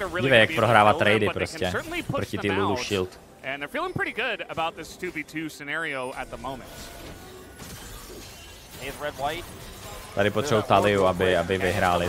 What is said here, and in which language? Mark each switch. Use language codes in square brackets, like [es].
[cs] Dívej, jak prohrává trady prostě, proti ty Lulu shield. [en] And they're feeling pretty good about this 2v2 scenario at the moment. [cs] Tady potřebuji Taliu, aby vyhráli.